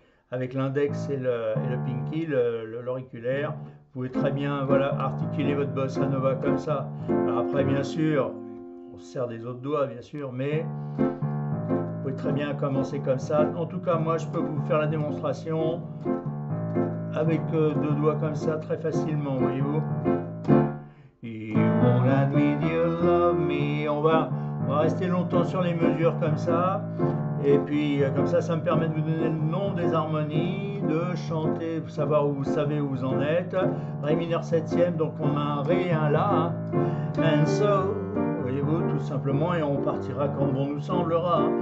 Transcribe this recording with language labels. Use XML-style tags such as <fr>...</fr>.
<fr>Avec l'index et le pinky, l'auriculaire, vous pouvez très bien voilà, articuler votre bossa nova comme ça. Alors après, bien sûr, on se sert des autres doigts, bien sûr, mais vous pouvez très bien commencer comme ça. En tout cas, moi, je peux vous faire la démonstration avec deux doigts comme ça très facilement, voyez-vous.</fr> <en>You won't admit you love me.</en> <fr>On va rester longtemps sur les mesures comme ça. Et puis, comme ça, ça me permet de vous donner le nom des harmonies, de chanter, de savoir où vous savez où vous en êtes. Ré mineur septième, donc on a un Ré et un La.</fr> <en>And so,</en> <fr>voyez-vous, tout simplement, et on partira quand bon nous semblera.</fr>